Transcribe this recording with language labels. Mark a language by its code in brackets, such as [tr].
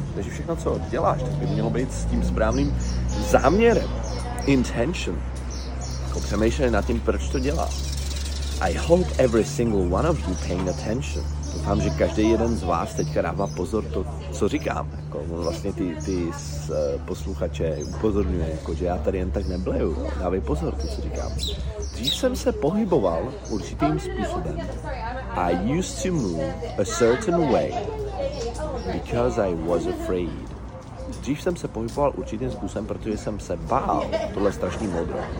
[cs] Takže všechno, co děláš, tak by mělo být s tím správným záměrem. Intention. Jako přemýšlej nad tím, proč to dělá. [en] I hope every single one of you paying attention. [cs] Doufám, že každý jeden z vás teďka dává pozor to, co říkám. Jako, vlastně ty posluchače upozorňuje, jako, že já tady jen tak nebleju. Dávej pozor, to, co říkám. Dřív jsem se pohyboval určitým způsobem. [en] I used to move a certain way because I was afraid. [cs] Dřív jsem se pohyboval určitým způsobem, protože jsem se bál tohle strašný modro.